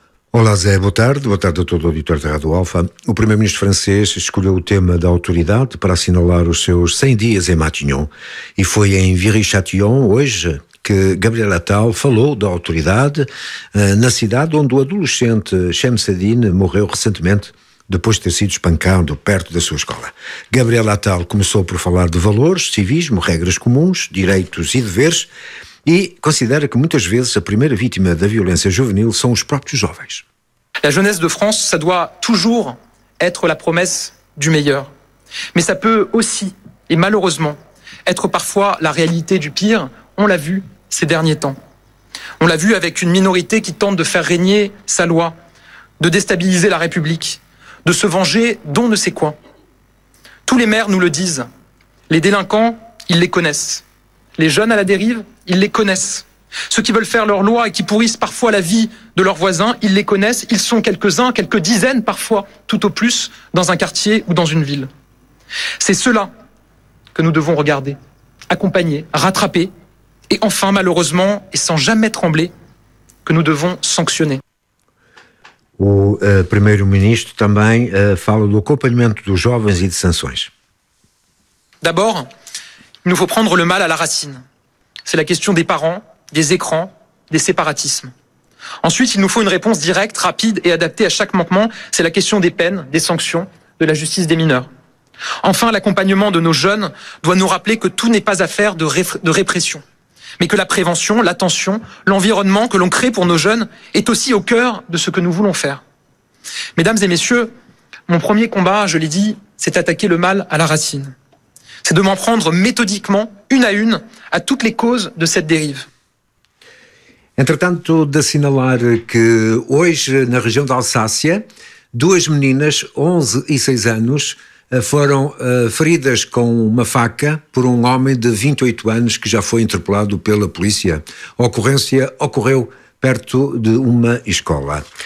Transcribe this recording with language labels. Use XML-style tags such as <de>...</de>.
<pt>Olá Zé, boa tarde a todo o auditório da Rádio Alfa. O primeiro-ministro francês escolheu o tema da autoridade para assinalar os seus 100 dias em Matignon e foi em Viry-Châtillon hoje que Gabriel Attal falou da autoridade na cidade onde o adolescente Chems Adine morreu recentemente depois de ter sido espancado perto da sua escola. Gabriel Attal começou por falar de valores, civismo, regras comuns, direitos e deveres e considera que muitas vezes a primeira vítima da violência juvenil são os próprios jovens.</pt> <fr>La jeunesse de France, ça doit toujours être la promesse du meilleur. Mais ça peut aussi, et malheureusement, être parfois la réalité du pire. On l'a vu ces derniers temps. On l'a vu avec une minorité qui tente de faire régner sa loi, de déstabiliser la République, de se venger d'on ne sait quoi. Tous les maires nous le disent. Les délinquants, ils les connaissent. Les jeunes à la dérive, ils les connaissent. Ceux qui veulent faire leur loi et qui pourrissent parfois la vie de leurs voisins, ils les connaissent. Ils sont quelques-uns, quelques dizaines parfois, tout au plus, dans un quartier ou dans une ville. C'est cela que nous devons regarder, accompagner, rattraper. Et enfin, malheureusement, et sans jamais trembler, que nous devons sanctionner.</fr> <pt>O primeiro-ministro também fala do acompanhamento dos jovens e de sanções.</pt> <fr>D'abord, il nous faut prendre le mal à la racine. C'est la question des parents, des écrans, des séparatismes. Ensuite, il nous faut une réponse directe, rapide et adaptée à chaque manquement. C'est la question des peines, des sanctions, de la justice des mineurs. Enfin, l'accompagnement de nos jeunes doit nous rappeler que tout n'est pas affaire de répression, mais que la prévention, l'attention, l'environnement que l'on crée pour nos jeunes est aussi au cœur de ce que nous voulons faire. Mesdames et messieurs, mon premier combat, je l'ai dit, c'est attaquer le mal à la racine. C'est de m'en prendre méthodiquement, une à une, à toutes les causes de cette dérive.</fr> <pt>Entretanto, de assinalar que hoje, na região da Alsácia, duas meninas, 11 e 6 anos, foram feridas com uma faca por um homem de 28 anos que já foi interpelado pela polícia. A ocorrência ocorreu perto de uma escola.</pt>